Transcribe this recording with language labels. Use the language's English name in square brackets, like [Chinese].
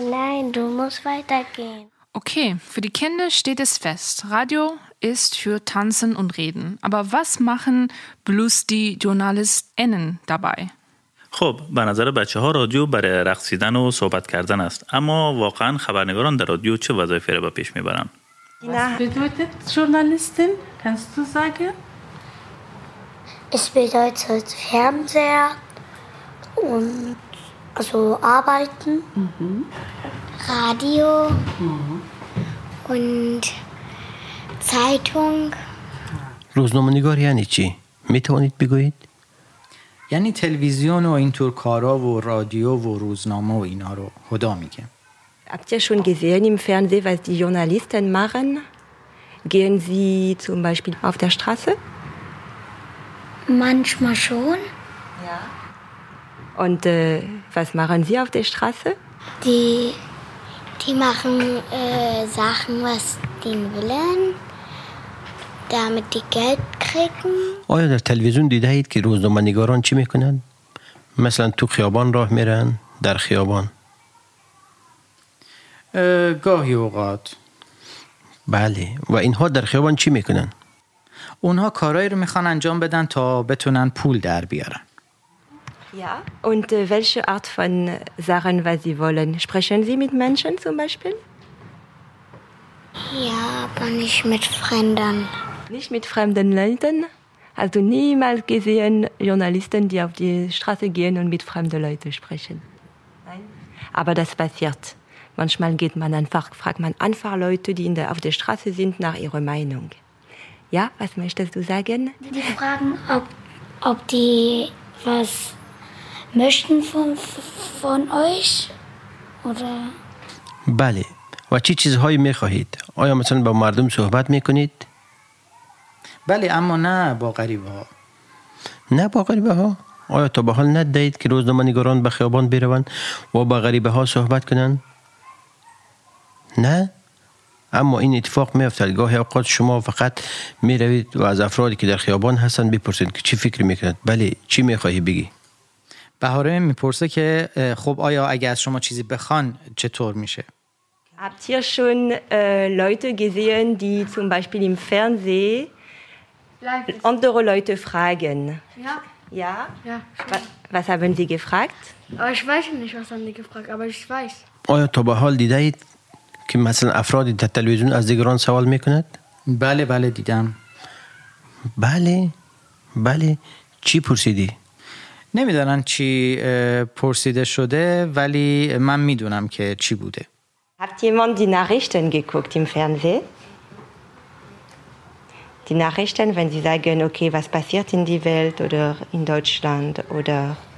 [German] Nein, du musst weitergehen. Okay, für die Kinder steht es fest. Radio ist für Tanzen und Reden. Aber was machen bloß die JournalistInnen dabei? [Persian] خب، به نظر بچه ها رادیو برای رقصیدن و صحبت کردن است. اما واقعا خبرنگاران در رادیو چه وظایفی را به پیش میبرند؟ [German] Was bedeutet Journalistin? Kannst du sagen? Es bedeutet Fernseher und also arbeiten. Radio und Zeitung. [Persian] روزنامه‌نگار یعنی چی؟ میتونید بگویید؟ یعنی تلویزیون و اینطور کارا و رادیو و روزنامه و اینا رو خدا میگه. [German] Habt ihr schon gesehen im Fernsehen, was die Journalisten machen? Gehen sie zum Beispiel auf der Straße? Manchmal schon. Ja. Und was machen sie auf der Straße? Die machen Sachen, was die wollen, damit die Geld kriegen. [Persian] آیا در تلویزیون دیدید که روزنامه‌نگاران چی میکنند؟ مثلا تو خیابان راه میرن، در خیابان. گاهی اوقات. بله، و اینها در خیابان چی میکنند؟ اونها کارهایی رو میخوان انجام بدن تا بتونن پول در بیارن. [German] Ja, und welche Art von Sachen, was Sie wollen? Sprechen Sie mit Menschen zum Beispiel? Ja, aber nicht mit Fremden. Nicht mit fremden Leuten? Hast du niemals gesehen, Journalisten, die auf die Straße gehen und mit fremden Leuten sprechen? Nein. Aber das passiert. Manchmal geht man einfach, fragt man einfach Leute, die auf der Straße sind, nach ihrer Meinung. Ja, was möchtest du sagen? Die fragen, ob die was möchten von euch oder? [Persian] Bale. و چی چیزهایی میخواهید؟ آیا مثلا با مردم صحبت میکنید؟ بله اما نه با غریبه ها. نه با غریبه ها؟ آیا تا به حال ندید که روزنامه‌نگاران به خیابان بروند و با غریبه ها صحبت کنند؟ نه؟ اما این اتفاق میفتد. گاهی اوقات شما فقط میروید و از افرادی که در خیابان هستند بپرسید که چی فکر میکنند؟ بله چی میخواهی بگی؟ بهاره میپرسه که خب آیا اگه از شما چیزی بخوان چطور میشه؟ [German] Habt ihr schon Leute gesehen, die zum Beispiel im Fernsehen andere Leute fragen? Ja. Ja? Ja. Was haben Sie gefragt? Aber ich weiß nicht, was haben Sie gefragt, aber ich weiß. [Persian] آیا تا به حال دیده اید که مثلا افرادی در تلویزیون از دیگران سوال میکند؟ بله بله دیدم. بله بله چی پرسیدی؟ نمیدونم چی پرسیده شده ولی من میدونم که چی بوده. [German] Habt jemand die Nachrichten geguckt im Fernsehen? Die Nachrichten, wenn sie sagen, okay, was passiert in die Welt oder in Deutschland oder